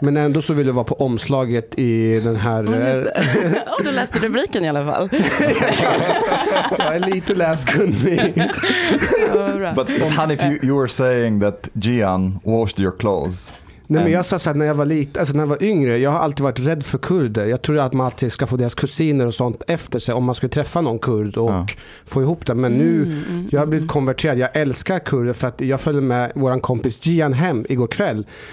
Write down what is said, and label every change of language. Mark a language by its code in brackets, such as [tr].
[sv] Men ändå så vill du vara på omslaget i den här... Ja, du läste rubriken i alla fall. Jag är lite läskunnig. [en] But Hanif, you were saying that Gian washed your clothes. [sv] Nej, men jag sa så här, när jag var yngre, jag har alltid varit rädd för kurder. Jag tror att man alltid ska få deras kusiner och sånt efter sig om man skulle träffa någon kurd och få ihop det. Men nu, jag har blivit konverterad. Jag älskar kurder för att jag följde med vår kompis Gian hem igår kväll.